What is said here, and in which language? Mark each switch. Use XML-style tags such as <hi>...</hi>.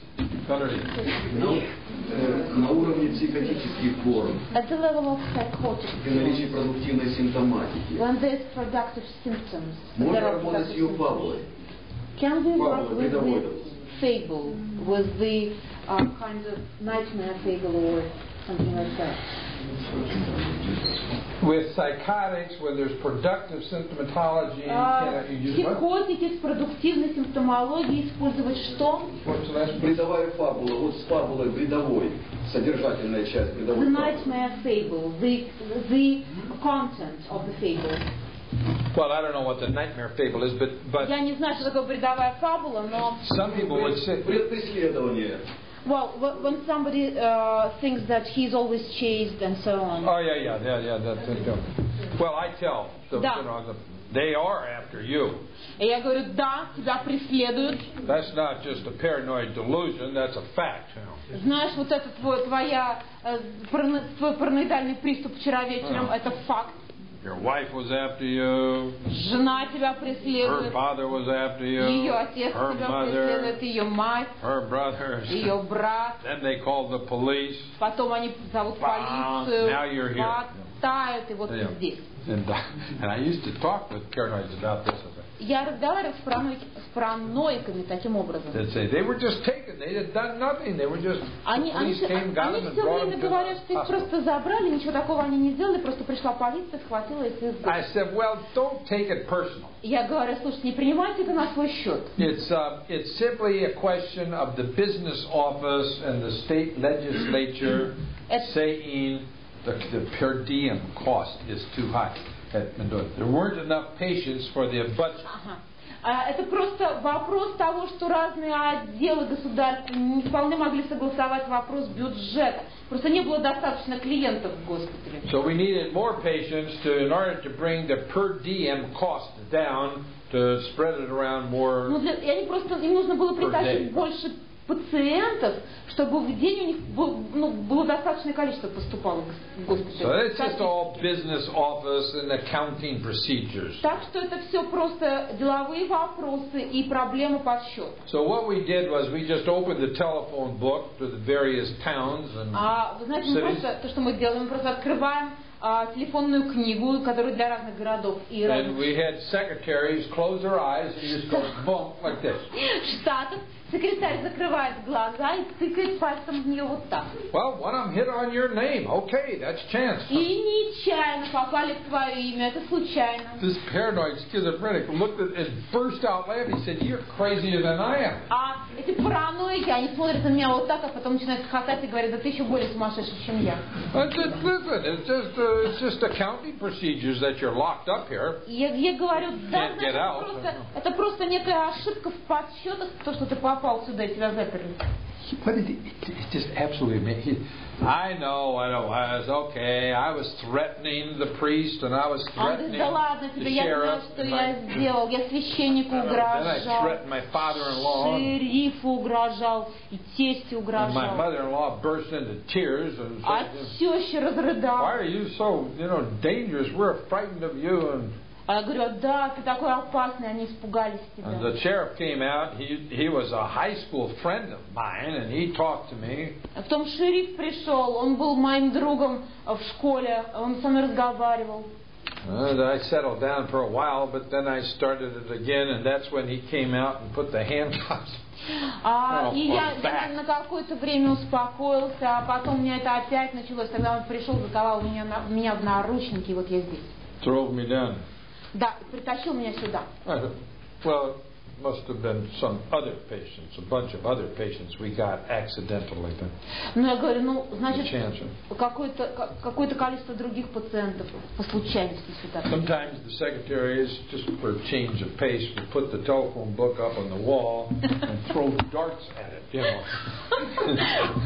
<ru>На уровне психотических форм.</ru> <en>At the level of psychotic.</en> <ru>При наличии продуктивной симптоматики.</ru> <en>When there is productive symptoms.</en> <ru>Можно работать с ее фабулой.</ru> <en>Can we work with the fable, with the kind of nightmare fable or something like that? With psychotics, when there's productive symptomatology,</en> <ru>психотики с продуктивной симптомологией использовать что? Бредовая фабула. Вот с фабулой бредовой, содержательная часть бредовой фабулы.</ru> <en>The nightmare fable, the content of the fable. Well, I don't know what the nightmare fable is, but</en> <ru>я не знаю, что такое бредовая фабула, но</ru> <en>some people would say</en> <ru>бред преследование.</ru> <en>Well, when somebody thinks that he's always chased and so on. Oh yeah. That's well, I tell them,</en> <ru>да.</ru> <en>You know, they are after you.</en> <ru>И я говорю, да, тебя преследуют.</ru> <en>That's not just a paranoid delusion. That's a fact.</en> <ru>Знаешь, вот это твой параноидальный приступ вчера вечером, это факт.</ru> <en>Your wife was after you.</en> <ru>Жена тебя преследует.</ru> <en>Her father was after you.</en> <ru>Ее отец</ru> <en>her</en> <ru>тебя</ru> <en>mother,</en> <ru>преследует. Ее мать.</ru> <en>Her brothers.</en> <ru>Ее брат.</ru> <en>Then they called the police.</en> <ru>Потом они зовут полицию.</ru> <en>Now you're here.</en> <ru>Хватает, и вот ты здесь.</ru> <en>And I used to talk with paranoids about this.</en> <ru>Я разговаривал с параноиками таким образом.</ru> <en>They were just taken. They had done nothing. They were just.</en> <ru>Они все время говорят, что их просто забрали, ничего такого они не сделали, просто пришла полиция, схватила их и.</ru> <en>I said, well, don't take it personal.</en> <ru>Я говорю, слушай, не принимайте это на свой счет.</ru> <en>It's simply a question of the business office and the state legislature saying the per diem cost is too high. There weren't enough patients for the but.</en> <ru>Это просто вопрос того, что разные отделы государства не вполне могли согласовать вопрос бюджета. Просто не было достаточно клиентов в госпитале.</ru> <en>So we needed more patients to in order to bring the per diem cost down to spread it around more.</en> <ru>Ну для они просто им нужно было притащить больше пациентов, чтобы в день у них было, ну, было достаточное количество поступало в госпиталь.</ru> <en>So it's just all business office and accounting procedures.</en> <ru>Так что это все просто деловые вопросы и проблемы подсчета.</ru> <en>So what we did was we just opened the telephone book to the various towns and cities.</en> <ru>А вы знаете, то, что мы делаем, мы просто открываем телефонную книгу, которая для разных городов и районов.</ru> <en>And we had secretaries close their eyes and just go bump like this.</en> <ru>Штатов. Секретарь закрывает глаза и тыкает пальцем в нее вот так.</ru> <en>Well, when I'm hit on your name, okay, that's chance.</en> <ru>И нечаянно попали в твое имя, это случайно.</ru> <en>This paranoid schizophrenic looked at and burst out laughing. He said, "You're crazier than I am."</en> <ru>А эти параноики, они смотрят на меня вот так, а потом начинают хохотать и говорят, да ты еще более сумасшедший, чем я.</ru> <en>I said, "Listen, it's just accounting procedures that you're locked up here."</en> <ru>Я говорю, да, это просто некая ошибка в подсчетах, то что ты попал сюда, и тебя заперли.</ru> <en>But it's just absolutely amazing. I know. I was okay. I was threatening the priest, and I was threatening the sheriff.</en> <ru>Я священнику угрожал.</ru> <en>I threatened my father-in-law.</en> <ru>Шерифу угрожал и тесте угрожал.</ru> <en>My mother-in-law burst into tears and said,</en> <ru>"Тёща разрыдалась.</ru> <en>Why are you so, you know, dangerous? We're frightened of you." And</en> <ru>а я говорю, да, ты такой опасный, они испугались тебя.</ru> <en>And the sheriff came out. He was a high school friend of mine, and he talked to me.</en> <ru>А потом шериф пришел, он был моим другом в школе, он со мной разговаривал.</ru> <en>And I settled down for a while, but then I started it again, and that's when he came out and put the handcuffs.</en> <ru>Я на какое-то время успокоился, а потом у меня это опять началось. Тогда он пришел, заковал меня в наручники, вот я здесь.</ru> <en>Drove me down.</en> <ru>Да, притащил меня сюда.</ru> <en>Well, must have been some other patients, a bunch of other patients we got accidentally.</en> <ru>Ну, я говорю, ну, значит, какое-то количество других пациентов по случайности сюда.</ru> <en>Sometimes the secretaries, just for change of pace, would put the telephone book up on the wall and throw darts at it, you know.</en>